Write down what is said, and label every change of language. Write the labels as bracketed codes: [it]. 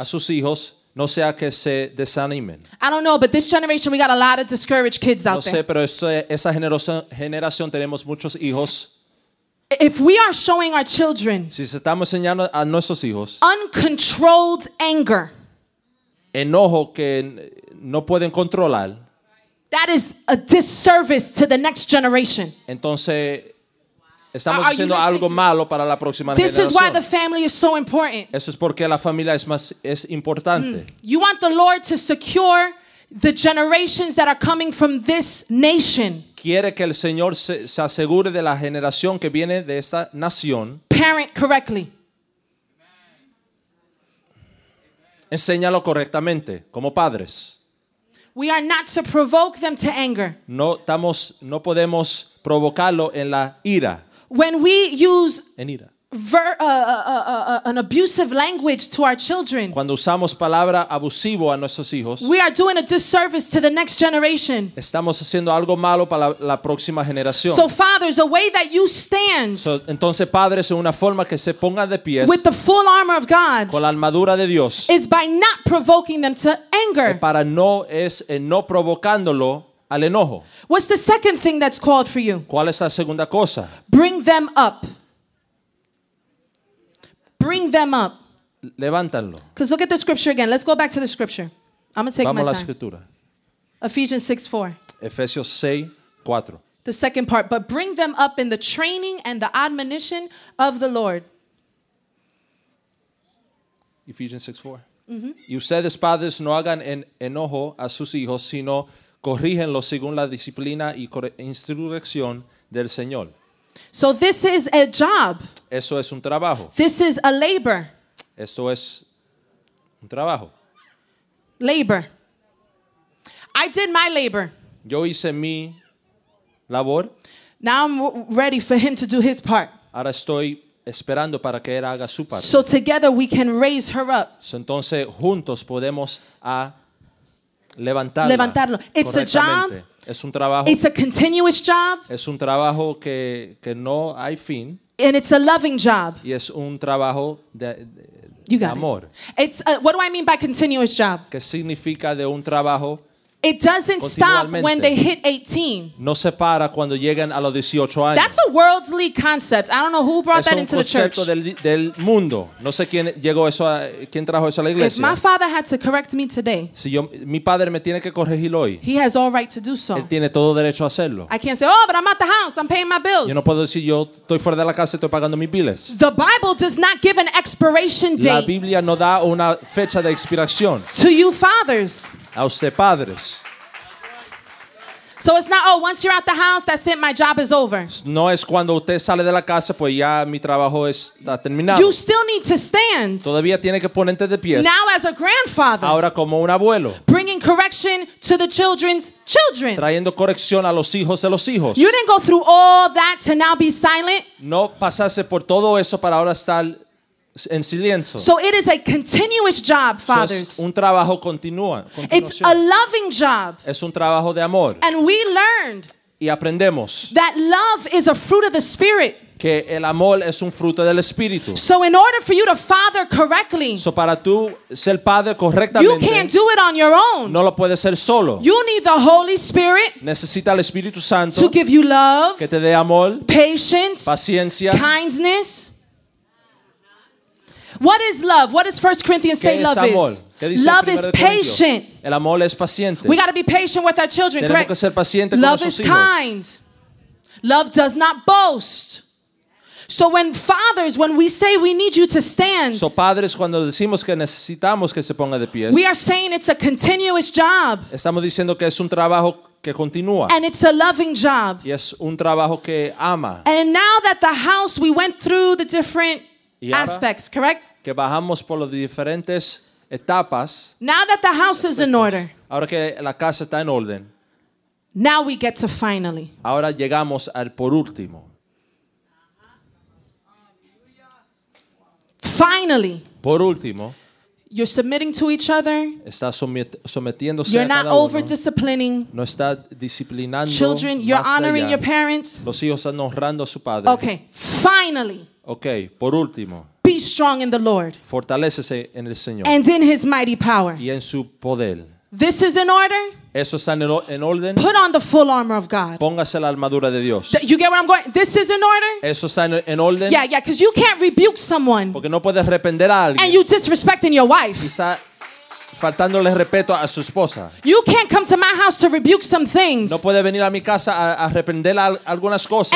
[es] A sus hijos, no sea que se desanimen. [en] I don't know, but this generation we got a lot of discouraged kids out there. [es] No sé, pero esa generación tenemos muchos hijos [en] if we are showing our children [es] si estamos enseñando a nuestros hijos [en] uncontrolled anger, [es] enojo que no pueden controlar, [en] that is a disservice to the next generation. [es] Entonces, estamos haciendo algo malo para la próxima generación. [en] This is why the family is so important. [es] Eso es porque la familia es más, es importante. Mm. [en] You want the Lord to secure the generations that are coming from this nation. [es] Quiere que el Señor se asegure de la generación que viene de esta nación. [en] Parent correctly. [es] Enséñalo correctamente, como padres. [en] We are not to provoke them to anger. [es] No estamos, no podemos provocarlo en la ira. [en] When we use [es] en ira. [en] An abusive language to our children, [es] cuando usamos palabra abusivo a nuestros hijos, [en] we are doing a disservice to the next generation. [es] Estamos haciendo algo malo para la próxima generación. [en] So fathers, a way that you stand, [es] so, entonces padres, en una forma que se pongan de pie, [en] with the full armor of God, [es] con la armadura de Dios, [en] is by not provoking them to anger. [es] Para no es en no provocándolo al enojo. [en] What's the second thing that's called for you? [es] ¿Cuál es la segunda cosa? [en] Bring them up. Bring them up. [es] Levántalo. [en] Because look at the scripture again. Let's go back to the scripture. I'm going to take [es] vamos [en] my time. [es] La escritura. [en] Ephesians 6:4. [es] Efesios 6:4. [en] The second part. But bring them up in the training and the admonition of the Lord. Ephesians 6:4. Mm-hmm. [es] Y ustedes padres no hagan enojo a sus hijos, sino corrígenlo según la disciplina y instrucción del Señor. [en] So this is a job. [es] Eso es un trabajo. [en] This is a labor. [es] Eso es un trabajo. [en] Labor. I did my labor. [es] Yo hice mi labor. [en] Now I'm ready for him to do his part. [es] Ahora estoy esperando para que él haga su parte. [en] So together we can raise her up. [es] So entonces juntos podemos a levantarlo. [en] It's a job. [es] Es un trabajo. [en] It's a continuous job. [es] Es un trabajo que no hay fin. [en] And it's a loving job. [es] Y es un trabajo de [en] you got [es] amor. [en] It. What do I mean by continuous job? [es] ¿Qué significa de un trabajo? [en] It doesn't stop when they hit 18. [es] No se para cuando llegan a los 18 años. [en] That's a worldly concept. I don't know who brought that into the church. [es] Es un concepto del mundo. No sé quién llegó eso, quién trajo eso a la iglesia. [en] If my father had to correct me today, [es] si yo, mi padre me tiene que corregir hoy, [en] he has all right to do so. [es] Él tiene todo derecho a hacerlo. [en] I can't say, oh, but I'm at the house. I'm paying my bills. [es] Yo no puedo decir, yo estoy fuera de la casa y estoy pagando mis bills. [en] The Bible does not give an expiration date. [es] La Biblia no da una fecha de expiración. [en] To you fathers. [es] A usted padres. [en] So it's not, oh, once you're out the house, that's it, my job is over. [es] No es cuando usted sale de la casa, pues ya mi trabajo está terminado. [en] You still need to stand. [es] Todavía tiene que ponerte de pie. [en] Now as a grandfather. [es] Ahora como un abuelo. [en] Bringing correction to the children's children. [es] Trayendo corrección a los hijos de los hijos. [en] You didn't go through all that to now be silent. [es] No pasaste por todo eso para ahora estar en silencio. [en] So it is a continuous job, fathers. [es] Es un trabajo continuo. [en] It's a loving job. [es] Es un trabajo de amor. [en] And we learned. [es] Y aprendemos. [en] That love is a fruit of the spirit. [es] Que el amor es un fruto del espíritu. [en] So in order for you to father correctly. [es] So para tú ser padre correctamente. [en] You can't do it on your own. [es] No lo puedes hacer solo. [en] You need the Holy Spirit. [es] Necesita el Espíritu Santo. [en] To give you love. [es] Que te dé amor. [en] Patience. [es] Paciencia. [en] Kindness. What is love? What does 1 Corinthians say love [es] amor? [en] Is? Love is patient. [es] El amor es paciente. [en] We got to be patient with our children, [es] tenemos [en] correct? [es] Que ser paciente [en] love [es] con [en] is [es] hijos. [en] Kind. Love does not boast. So when fathers, when we say we need you to stand, [es] so padres, cuando decimos que necesitamos que se ponga de pies, [en] we are saying it's a continuous job. [es] Estamos diciendo que es un trabajo que continúa. [en] And it's a loving job. [es] Y es un trabajo que ama. [en] And now that the house, we went through the different aspects, correct? [es] Que bajamos por los diferentes etapas. [en] Now that the house is in order. [es] Ahora que la casa está en orden. [en] Now we get to finally. [es] Ahora llegamos al por último. [en] Finally. [es] Por último. [en] You're submitting to each other. [es] Está sometiéndose a cada uno. [en] You're not over-disciplining. [es] No está disciplinando. [en] Children, you're honoring your parents. [es] Los hijos están honrando a su padre. [en] Okay, finally. [es] Okay, por último. [en] Be strong in the Lord. [es] Fortalécese en el Señor. [en] And in his mighty power. [es] Y en su poder. [en] This is in order. [es] Eso está en orden. [en] Put on the full armor of God. [es] Póngase la armadura de Dios. [en] You get where I'm going? This is in order. [es] Eso está en orden. [en] Yeah, yeah, because you can't rebuke someone. [es] Porque no puedes reprender a alguien. [en] And you disrespecting your wife. [es] Quizá faltándole respeto a su esposa. [en] You can't come to my house to rebuke some things. [es] No puede venir a mi casa a reprender algunas cosas.